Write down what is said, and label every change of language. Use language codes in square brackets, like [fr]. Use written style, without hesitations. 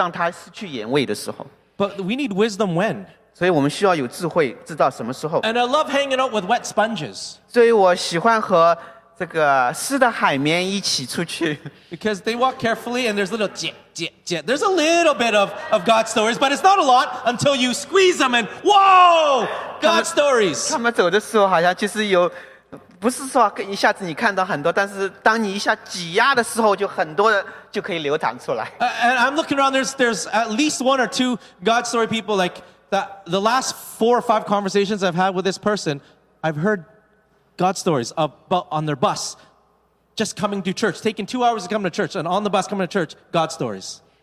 [zh] 圣经中讲到你什么时候把它撒出去就是当它失去盐味的时候。 [en] But we need wisdom when? [zh] 所以我们需要有智慧知道什么时候。 [en] And I love hanging out with wet sponges. [zh] 所以我喜欢和这个湿的海绵一起出去。 [en] Because they walk carefully and there's a little jip, jip, jip. There's a little bit of God's stories, but it's not a lot until you squeeze them and whoa! God's stories. [zh] 他们走的时候好像就是有 不是说一下子你看到很多，但是当你一下挤压的时候，就很多人就可以流淌出来。 [en] And I'm looking around. There's at least one or two God story people like that. The last four or five conversations I've had with this person, I've heard God stories about on their bus, just coming to church, taking 2 hours to come to church, and on the bus coming to church, God stories.